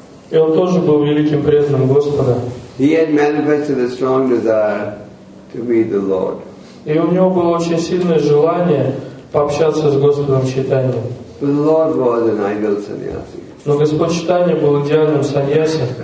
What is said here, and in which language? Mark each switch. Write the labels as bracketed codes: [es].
[ru] И он тоже был великим преданным Господа. [en] He had manifested a strong desire to meet the Lord. [ru] И у него было очень сильное желание пообщаться с Господом Чайтаньей. [en] But the Lord was an ideal sannyasi. [ru] Но Господь Чайтанья был идеальным саньяси.